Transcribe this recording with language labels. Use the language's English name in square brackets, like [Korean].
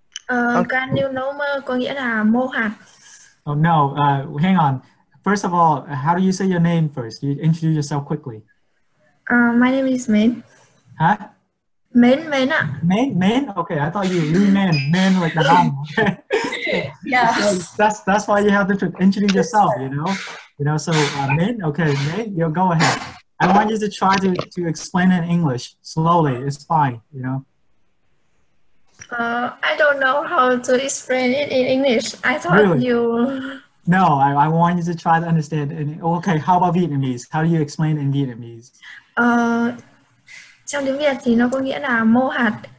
[Vietnamese] Granuloma có nghĩa là mô hạt. [English] Oh no, hang on. First of all, how do you say your name first? You introduce yourself quickly. My name is Min. Huh? [Vietnamese] Min ạ. [English] Min? Okay, I thought you were Lee Man. Min like the name. Yeah. That's why you have to introduce yourself, you know? You know, so Min, okay, Min, you go ahead. I want you to try to explain in English slowly. It's fine, you know. I don't know how to explain it in English. I thought really? You. No, I want you to try to understand. Okay, how about Vietnamese? How do you explain in Vietnamese? [Vietnamese] Trong tiếng Việt thì nó có nghĩa là mô hạt.